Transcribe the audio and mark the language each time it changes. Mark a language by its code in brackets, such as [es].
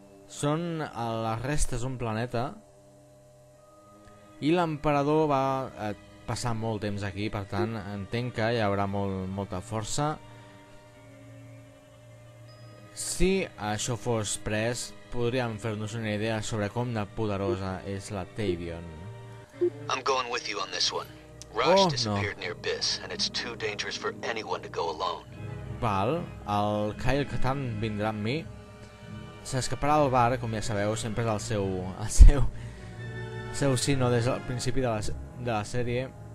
[ca] Són a les restes d'un planeta. I l'emperador va passar molt temps aquí, per tant, entenc que hi haurà molta força. Si això fos pres, podríem fer-nos una idea sobre com de poderosa és la Tavion. [en] I'm going with you on this one. Rush disappeared near Biss, and it's too dangerous for anyone to go alone. [ca] Val, el Kyle Katarn vindrà amb mi. S'escaparà del bar, com ja sabeu, sempre és el seu sinó des del principi de la sèrie.